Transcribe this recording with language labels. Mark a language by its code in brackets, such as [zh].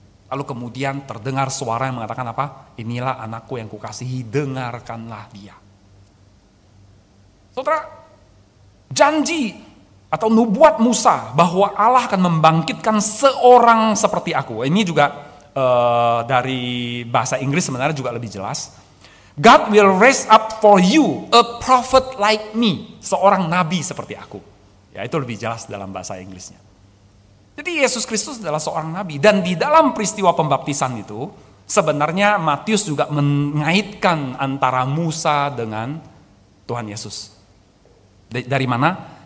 [id] Lalu kemudian terdengar suara yang mengatakan apa? Inilah anakku yang kukasihi, dengarkanlah dia. Saudara, janji atau nubuat Musa bahwa Allah akan membangkitkan seorang seperti aku. Ini juga dari bahasa Inggris sebenarnya juga lebih jelas. [en] God will raise up for you a prophet like me. [id] Seorang nabi seperti aku. Ya, itu lebih jelas dalam bahasa Inggrisnya. Jadi Yesus Kristus adalah seorang nabi. Dan di dalam peristiwa pembaptisan itu, sebenarnya Matius juga mengaitkan antara Musa dengan Tuhan Yesus. Dari mana?